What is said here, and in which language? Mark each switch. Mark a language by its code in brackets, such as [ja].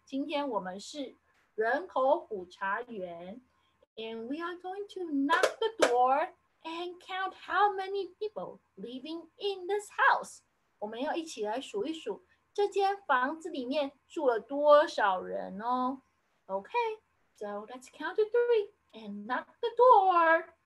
[zh] 今天我们是人口普查员 [en] ，and we are going to knock the door and count how many people living in this house. [zh] 我们要一起来数一数这间房子里面住了多少人哦。 [en] Okay, so let's count to 3 and knock the door.